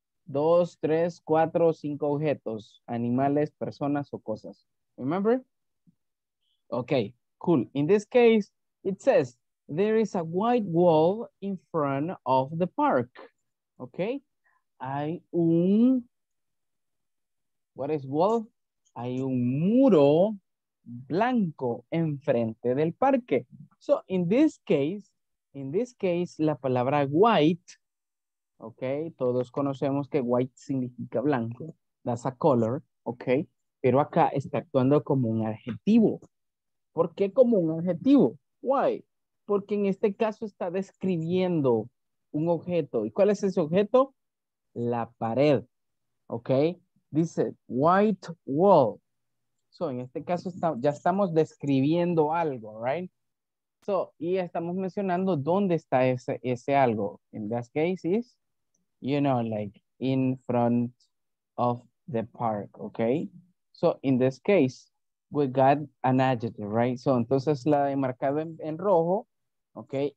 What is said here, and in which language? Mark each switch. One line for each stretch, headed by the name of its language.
Spanish: Dos, tres, cuatro, cinco objetos, animales, personas o cosas.
English: Remember? Okay, cool. In this case, it says, there is a white wall in front of the park. Okay?
Spanish: Hay un...
English: What is wall?
Spanish: Hay un muro blanco enfrente del parque.
English: So, in this case,
Spanish: la palabra
English: white...
Spanish: Ok, todos conocemos que white significa blanco,
English: that's a color,
Spanish: ok, pero acá está actuando como un adjetivo. ¿Por qué como un adjetivo? Why? Porque en este caso está describiendo un objeto. ¿Y cuál es ese objeto? La pared, ok, dice white wall. So, en este caso está, ya estamos describiendo algo, right? So, y estamos mencionando dónde está ese algo.
English: In this case is... You know, like in front of the park, okay? So in this case, we got an adjective, right?
Spanish: So entonces la he marcado en rojo, okay?